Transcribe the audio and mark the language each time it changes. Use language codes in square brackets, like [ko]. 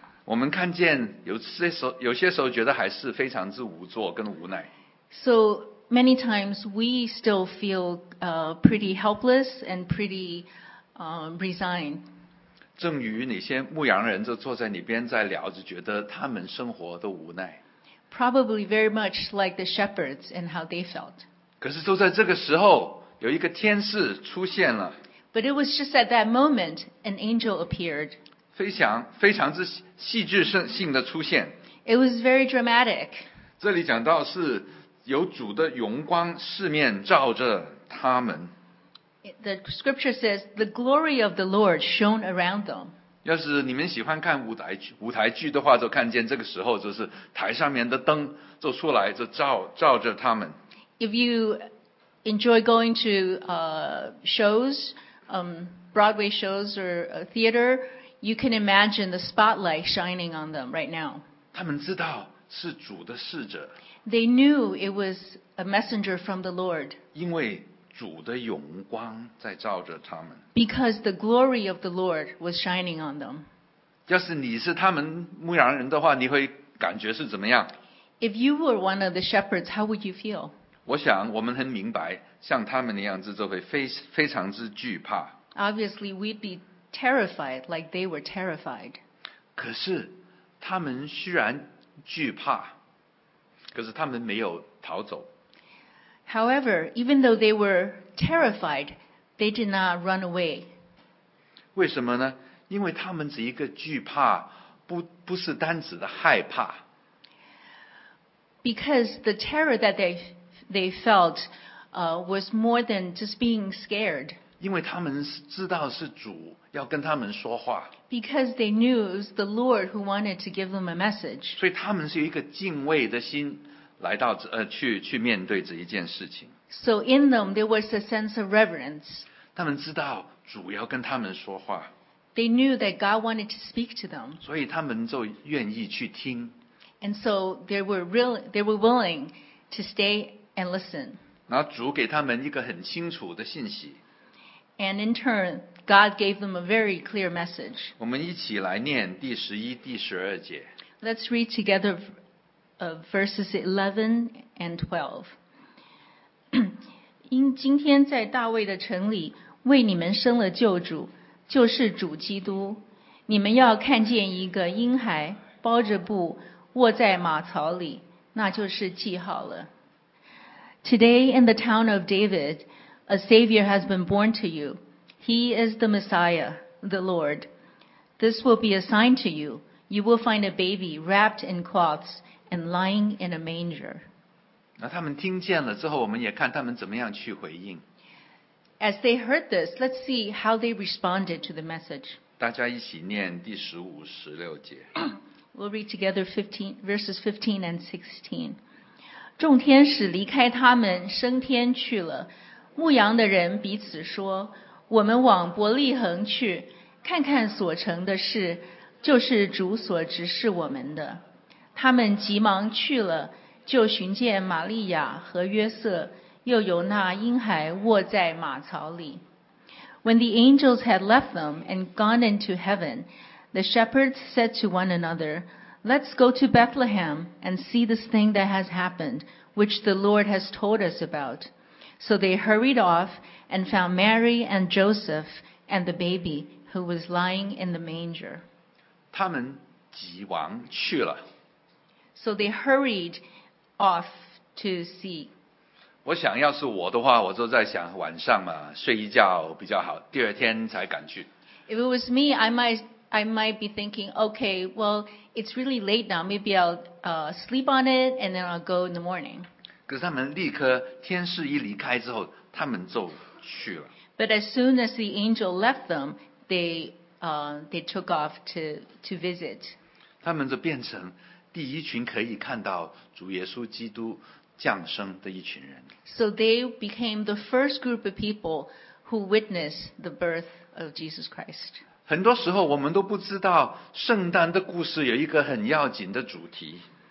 [zh] 我们看见有些时候觉得还是非常之无助跟无奈。 [en] So,many times we still feel pretty helpless and pretty resigned. [zh] 正如那些牧羊人就坐在那边在聊着，觉得他们生活都无奈。 [en] Probably very much like the shepherds and how they felt. [zh] 可是就在这个时候，有一个天使出现了。 [en] But it was just at that moment an angel appeared. [zh] 非常之戏剧性的出现。 [en] It was very dramatic. [zh] 这里讲到是。有主的荣光四面照着他们。 [en] The scripture says the glory of the Lord shone around them. [zh] 要是你们喜欢看舞台剧的话，就看见这个时候就是台上面的灯就出来就照着他们。 [en] If you enjoy going to shows, Broadway shows or theater, you can imagine the spotlight shining on them right now. [zh] 他们知道是主的使者。 [en] They knew it was a messenger from the Lord. [zh] 因为主的荣光在照着他们。 [en] Because the glory of the Lord was shining on them. [zh] 要是你是他们牧羊人的话，你会感觉是怎么样？ [en] If you were one of the shepherds, how would you feel? [zh] 我想我们很明白，像他们那样子就会非常之惧怕。 [en] Obviously, we'd be terrified like they were terrified. [zh] 可是他们虽然惧怕。可是他们没有逃走。 [en] However, even though they were terrified, they did not run away. [zh] 为什么呢？因为他们只一个惧怕，不是单指的害怕。 [en] Because the terror that they felt was more than just being scared. [zh] 因为他们知道是主要跟他们说话。 [en] Because they knew it was the Lord who wanted to give them a message. [zh] 所以他们是有一个敬畏的心。来到去面对这一件事情。 [en] So in them there was a sense of reverence. [zh] 他们知道主要跟他们说话。 [en] They knew that God wanted to speak to them. [zh] 所以他们就愿意去听。 [en] And so they were willing to stay and listen. [zh] 然后主给他们一个很清楚的信息。 [en] And in turn, God gave them a very clear message. [zh] 我们一起来念第十一、第十二节。 [en] Let's read together verses 11 and 12. [zh] 因今天在大卫的城里为你们生了救主，就是主基督。你们要看见一个婴孩包着布卧在马槽里，那就是记号了。 [en] Today in the town of David, a Savior has been born to you. He is the Messiah, the Lord. This will be a sign to you. You will find a baby wrapped in cloths and lying in a manger. [zh] 那他们听见了之后，我们也看他们怎么样去回应。 [en] As they heard this, let's see how they responded to the message. [zh] 大家一起念第十五、十六节。 [en] We'll read together verses 15 and 16. [zh] 众天使离开他们，升天去了。牧羊的人彼此说：“我们往伯利恒去，看看所成的事。” 就是主所指示我们的。他们急忙去了，就寻见玛利亚和约瑟，又有那婴孩卧在马槽里。 [en] When the angels had left them and gone into heaven, the shepherds said to one another, Let's go to Bethlehem and see this thing that has happened, which the Lord has told us about. So they hurried off and found Mary and Joseph and the baby who was lying in the manger. [zh] 他们急忙去了。 [en] So they hurried off to see. [zh] 我想要是我的话，我就在想晚上嘛，睡一觉比较好，第二天才敢去。 [en] If it was me, I might be thinking, okay, well, it's really late now. Maybe I'll sleep on it and then I'll go in the morning. [zh] 可是他们立刻天使一离开之后，他们就去了。 [en] But as soon as the angel left them, they took off to visit. [zh] 他们就变成第一群可以看到主耶稣基督降生的一群人。 [en] So they became the first group of people who witnessed the birth of Jesus Christ. [zh] 很多时候我们都不知道圣诞的故事有一个很要紧的主题。